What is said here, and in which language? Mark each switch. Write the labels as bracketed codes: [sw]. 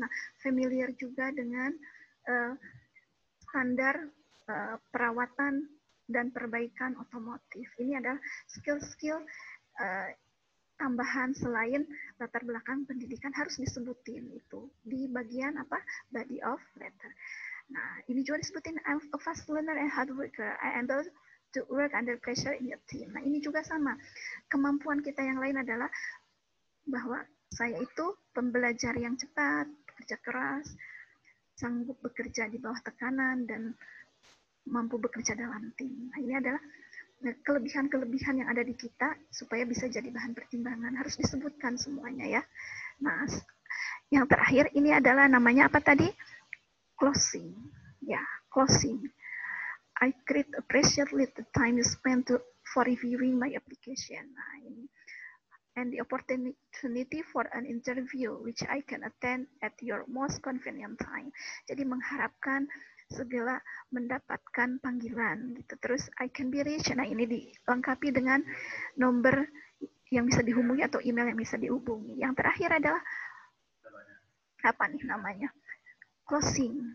[id] Nah, familiar juga dengan standar perawatan dan perbaikan otomotif. Ini adalah skill-skill tambahan selain latar belakang pendidikan, harus disebutin itu di bagian apa, [en] body of letter. [id] Nah, ini juga disebutin, [en] I'm a fast learner and hard worker. I am able to work under pressure in your team. [id] Nah, ini juga sama. Kemampuan kita yang lain adalah bahwa saya itu pembelajar yang cepat, bekerja keras, sanggup bekerja di bawah tekanan, dan mampu bekerja dalam tim. Nah, ini adalah kelebihan-kelebihan yang ada di kita supaya bisa jadi bahan pertimbangan. Harus disebutkan semuanya ya. Nah, yang terakhir ini adalah namanya apa tadi? [en] Closing. Ya, closing. I greatly appreciate the time you spent for reviewing my application. [id] Nah, ini. [en] And the opportunity for an interview which I can attend at your most convenient time. [id] Jadi mengharapkan segala mendapatkan panggilan gitu. Terus [en] I can be reached. [id] Nah, ini dilengkapi dengan nomor yang bisa dihubungi atau email yang bisa dihubungi. Yang terakhir adalah apa nih namanya? Closing.